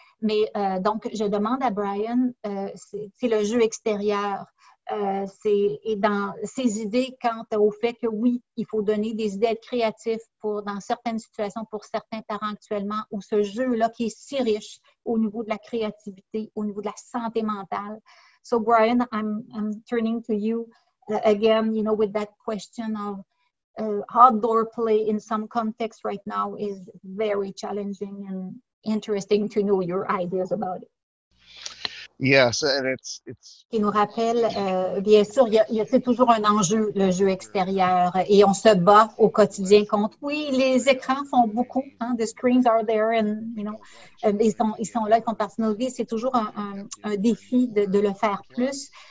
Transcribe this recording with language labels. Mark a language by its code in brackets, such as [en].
[fr] Mais donc, je demande à Brian, c'est le jeu extérieur, et dans ses idées quant au fait que oui, il faut donner des idées, être créatif pour, dans certaines situations, pour certains parents actuellement, où ce jeu-là qui est si riche au niveau de la créativité, au niveau de la santé mentale. [en] So, Brian, I'm turning to you. Again, you know, with that question of outdoor play in some context right now is very challenging and interesting to know your ideas about it. Yes, and it's. [fr] Qui nous rappelle, bien sûr, c'est toujours un enjeu, le jeu extérieur, et on se bat au quotidien contre. Oui, les écrans font beaucoup. Hein, [en] the screens are there, and you know, [fr] ils sont là, ils font partie de nos vies. C'est toujours un défi de le faire plus.